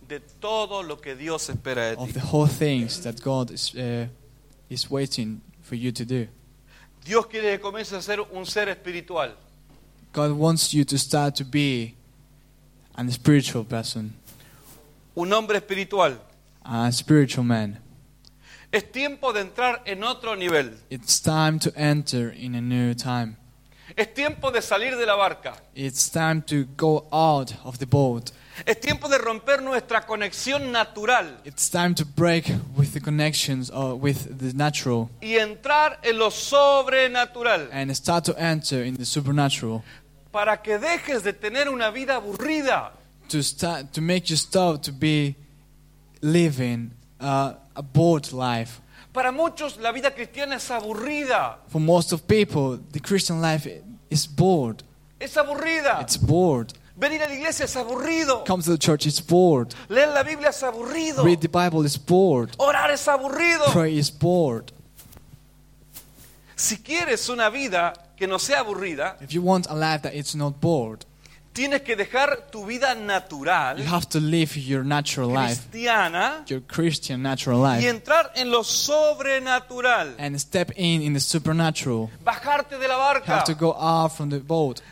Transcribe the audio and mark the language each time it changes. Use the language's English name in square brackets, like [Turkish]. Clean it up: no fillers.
[Spanish] De todo lo que Dios espera de ti. [English] Of the whole things that God is waiting for you to do. [Spanish] Dios quiere que comiences a ser un ser espiritual. [English] God wants you to start to be a spiritual person. [Spanish] Un hombre espiritual. [English] A spiritual man. [Spanish] Es tiempo de entrar en otro nivel. [English] It's time to enter in a new time. [Spanish] Es tiempo de salir de la barca. [English] It's time to go out of the boat. [Spanish] Es tiempo de romper nuestra conexión natural. [English] It's time to break with the connections or with the natural. [Spanish] Y entrar en lo sobrenatural. [English] And start to enter in the supernatural. [Spanish] Para que dejes de tener una vida aburrida. [English] To make you stop to be living a bored life. [Spanish] Para muchos la vida cristiana es aburrida. [English] For most of people, the Christian life is bored. [Spanish] Es aburrida. [English] It's bored. [Spanish] Venir a la iglesia es aburrido. [English] Come to the church is bored. [Spanish] Leer la Biblia es aburrido. [English] Read the Bible is bored. [Spanish] Orar es aburrido. [English] Pray is bored. [Spanish] Si quieres una vida que no sea aburrida, [English] if you want a life that it's not bored, [Spanish] tienes que dejar tu vida natural, [English] you have to live your natural [Spanish] cristiana, [English] life, your Christian natural life, [Spanish] y entrar en lo sobrenatural, [English] and step in the supernatural, [Spanish] bajarte de la barca, [English] you have to go out from the boat.